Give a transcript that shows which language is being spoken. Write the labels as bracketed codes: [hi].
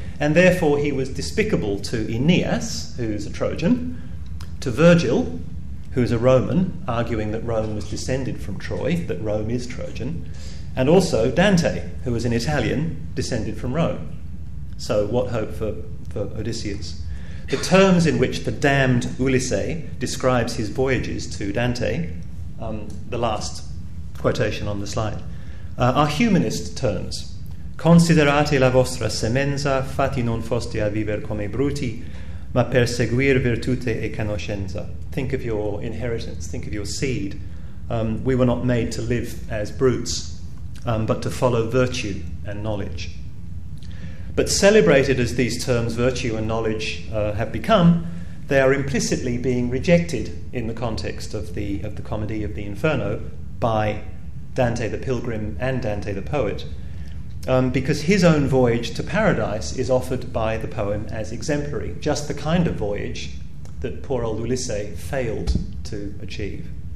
[en] And therefore he was despicable to Aeneas, who's a Trojan, to Virgil, who's a Roman, arguing that Rome was descended from Troy, that Rome is Trojan, and also Dante, who was an Italian, descended from Rome. So what hope for Odysseus? The terms in which the damned Ulysses describes his voyages to Dante, the last quotation on the slide, are humanist terms. [it] Considerate la vostra semenza, fatti non foste a viver come bruti, ma per seguir virtute e conoscenza. [en] Think of your inheritance, think of your seed. We were not made to live as brutes, but to follow virtue and knowledge. But celebrated as these terms, virtue and knowledge, have become, they are implicitly being rejected in the context of the comedy of the Inferno by Dante the pilgrim and Dante the poet, because his own voyage to paradise is offered by the poem as exemplary, just the kind of voyage that poor old Ulysses failed to achieve.